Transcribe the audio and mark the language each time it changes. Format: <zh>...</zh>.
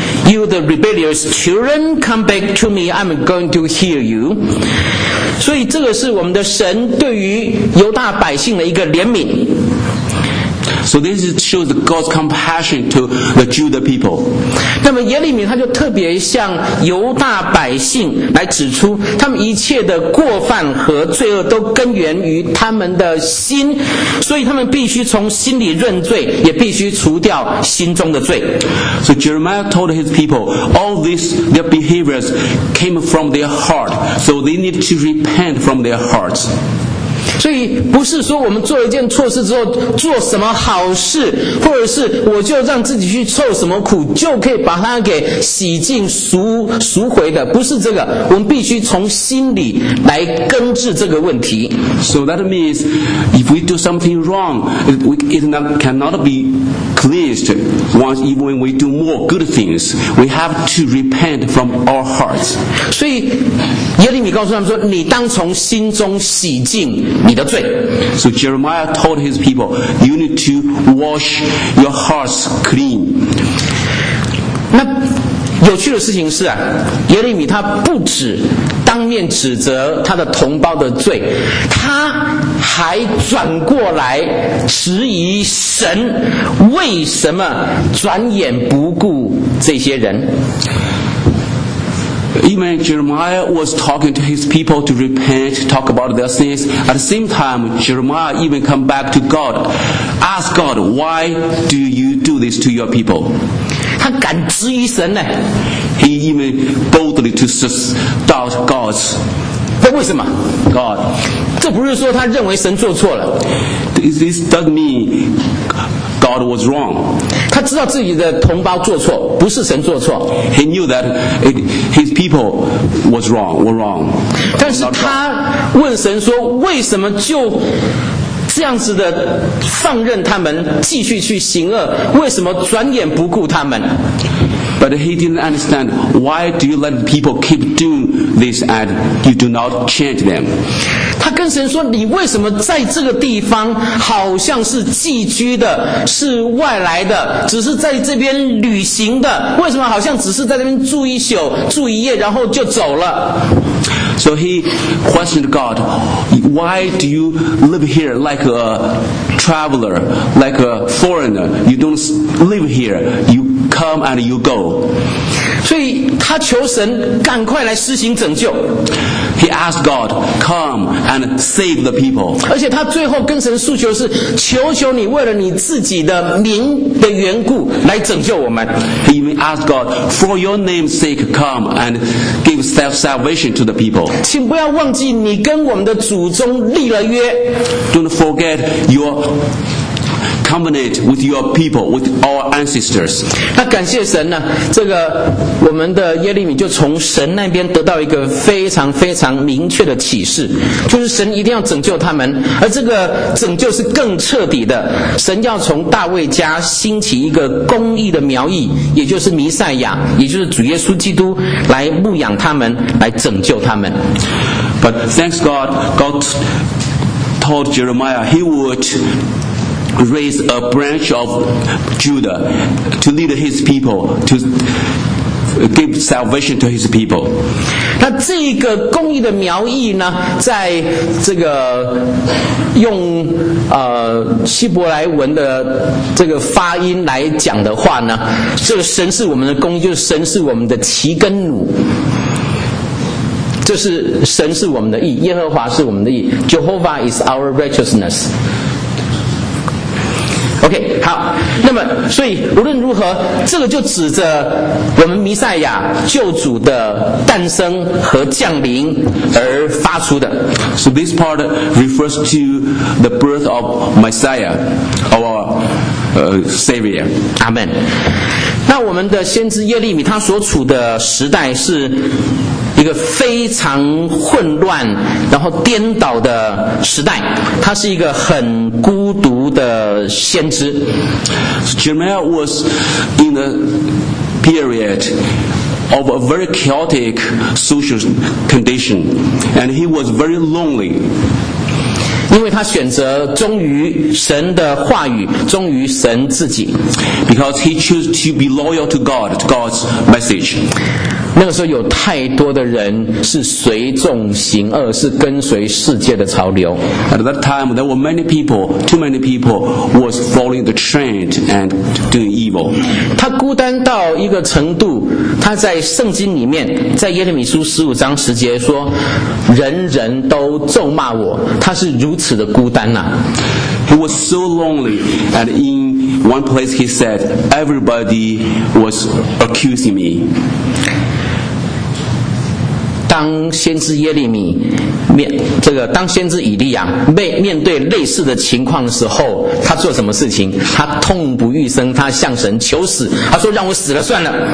<en>You, the rebellious children, come back to me. I'm going to heal you.</en> <zh>所以这个是我们的神对于犹大百姓的一个怜悯。</zh> <en>So this shows God's compassion to the Judah people.</en> <zh>那么耶利米他就特别向犹大百姓来指出，他们一切的过犯和罪恶都根源于他们的心，所以他们必须从心里认罪，也必须除掉心中的罪。</zh> <en>So Jeremiah told his people, all these their behaviors came from their heart, so they need to repent from their hearts.</en> <zh>所以不是说我们做一件错事之后做什么好事，或者是我就让自己去受什么苦就可以把它给洗净赎回的，不是这个。我们必须从心里来根治这个问题。</zh> <en>So that means if we do something wrong, it cannot be cleansed once even we do more good things. We have to repent from our hearts.</en> <zh>所以耶利米告诉他们说，你当从心中洗净你的罪。</zh> <en>So Jeremiah told his people, you need to wash your hearts clean.</en> <zh>那有趣的事情是啊，耶利米他不止当面指责他的同胞的罪，他还转过来质疑神为什么转眼不顾这些人。</zh> <en>Even Jeremiah was talking to his people to repent, talk about their sins. At the same time, Jeremiah even come back to God, ask God, why do you do this to your people?</en> <zh>他敢质疑神呢。</zh> <en>He even boldly to doubt God.</en> <zh>那为什么</zh> <en>？God，</en> <zh>这不是说他认为神做错了。</zh> <en>This doesn't mean God was wrong.</en> <zh>他知道自己的同胞做错，不是神做错。</zh> <en>He knew that his people was wrong. Were wrong.</en> <zh>但是他问神说，为什么就？这样子的放任他们继续去行恶，为什么转眼不顾他们</zh> <en>？But he didn't understand why do you let people keep doing this and you do not change them？</en> <zh>他跟神说：“你为什么在这个地方好像是寄居的，是外来的，只是在这边旅行的？为什么好像只是在那边住一宿、住一夜，然后就走了？”</zh> <en>So he questioned God. Why do you live here like a traveler, like a foreigner? You don't live here. You come and you go.</en> <zh>所以他求神赶快来施行拯救。</zh> <en>He asked God, come and save the people.</en> <zh>而且他最后跟神诉求是，求求你为了你自己的名的缘故来拯救我们。</zh> <en>He even asked God, for your name's sake, come and give salvation to the people.</en> <zh>请不要忘记你跟我们的祖宗立了约。</zh> <en>Don't forget your covenant with your people, with our ancestors.</en> <zh>那感谢神呢，这个我们的耶利米就从神那边得到一个非常非常明确的启示，就是神一定要拯救他们，而这个拯救是更彻底的。神要从大卫家兴起一个公义的苗裔，也就是弥赛亚，也就是主耶稣基督，来牧养他们，来拯救他们。</zh> <en>But thanks God, God told Jeremiah he would. Raise a branch of Judah to lead his people to give salvation to his people.</en> <zh>那这个公义的苗裔呢，在这个用希伯来文的这个发音来讲的话呢，这个神是我们的公义，就是神是我们的旗根弩。就是神是我们的义，耶和华是我们的义 ，</zh> <en>Jehovah is our righteousness.</en> <zh>OK， 好，那么所以无论如何，这个就指着我们弥赛亚救主的诞生和降临而发出的。</zh> <en>So this part refers to the birth of Messiah, our Savior. Amen.</en> <zh>那我们的先知耶利米他所处的时代是一个非常混乱然后颠倒的时代，他是一个很孤独的先知。</zh> <en>Jeremiah was in a period of a very chaotic social condition and he was very lonely.</en> <zh>因为他选择忠于神的话语，忠于神自己。</zh> <en>Because he chose to be loyal to God, to God's message.</en> <zh>那个时候有太多的人是随众行恶，是跟随世界的潮流。</zh> <en>At that time, there were many people, too many people was following the trend and doing evil.</en> <zh>他孤单到一个程度，他在圣经里面，在耶利米书十五章十节说，人人都咒骂我，他是如此的孤单呐。</zh> <en>He was so lonely, and in one place he said, everybody was accusing me.</en> <zh>当先知耶利米当先知以利亚面对类似的情况的时候，他做什么事情？他痛不欲生，他向神求死，他说让我死了算了。</zh>